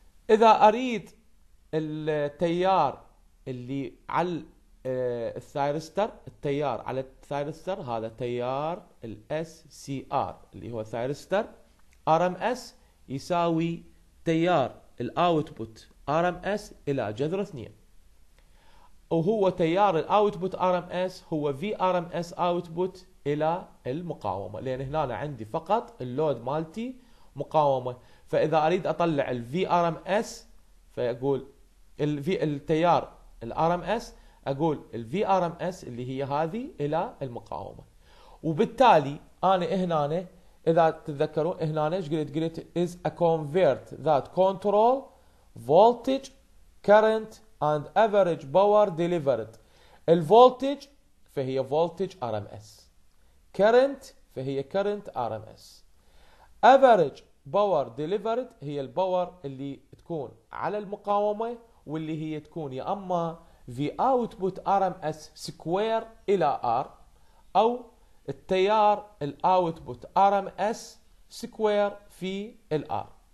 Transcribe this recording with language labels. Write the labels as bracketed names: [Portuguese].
[Arabic] اذا اريد التيار اللي على الثايرستر التيار على الثايرستر هذا تيار الاس سي ار اللي هو ثايرستر ار ام اس يساوي تيار الاوت بوت ار ام اس الى جذر 2 وهو تيار الاوتبوت ار ام اس هو في ار ام اس اوتبوت الى المقاومه لان هنا أنا عندي فقط اللود مالتي مقاومه. فاذا اريد اطلع الفي ار ام اس فاقول الفي التيار الار ام اس اقول الفي ار ام اس اللي هي هذه الى المقاومه. وبالتالي انا هنا اذا تتذكرون هنا ايش قلت [English] is a convert that control voltage current and average power delivered. [Arabic] الفولتج فهي فولتج ار ام اس. كرنت فهي كرنت ار ام اس. افريج باور ديليفرد هي الباور اللي تكون على المقاومه واللي هي تكون يا اما في اوتبوت ار ام اس سكوير الى ار او التيار الاوتبوت ار ام اس سكوير في الار.